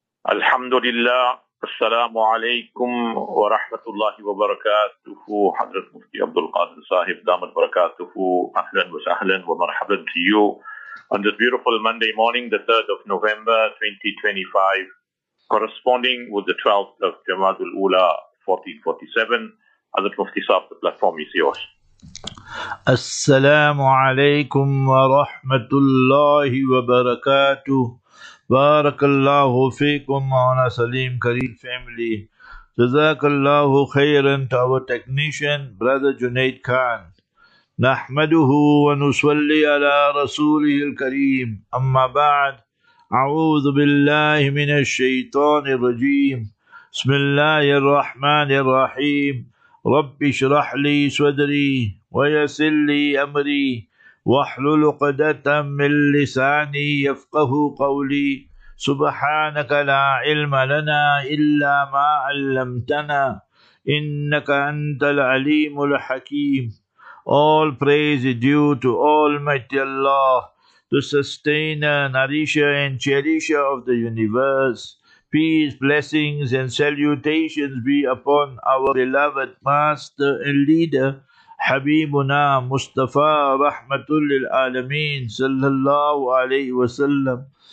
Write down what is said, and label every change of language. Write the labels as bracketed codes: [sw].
[ar] الحمد لله، السلام عليكم ورحمة الله وبركاته. حضرة مفتي عبد القادر صاحب دامت بركاته، أهلا وسهلا ومرحبا بيو. [en] On this beautiful Monday morning, the 3rd of November 2025, corresponding with the 12th of Jamadul Ula 1447, Hazrat Mufti Sahib, the platform is yours. Assalamu alaikum wa rahmatullahi wa barakatuh. Barakallahu feekum Maulana Saleem Kareem family. Jazakallahu khairan to our technician, Brother Junaid Khan. [ar] نحمده ونصلي على رسوله الكريم أما بعد أعوذ بالله من الشيطان الرجيم بسم الله الرحمن الرحيم رب اشرح لي صدري ويسر لي أمري واحلل عقدة من لساني يفقه قولي سبحانك لا علم لنا إلا ما علمتنا إنك أنت العليم الحكيم. [en] All praise is due to Almighty Allah, the sustainer, nourisher, and cherisher of the universe. Peace, blessings, and salutations be upon our beloved master and leader, Habibuna Mustafa Rahmatul Lil Alameen Sallallahu Alaihi Wasallam.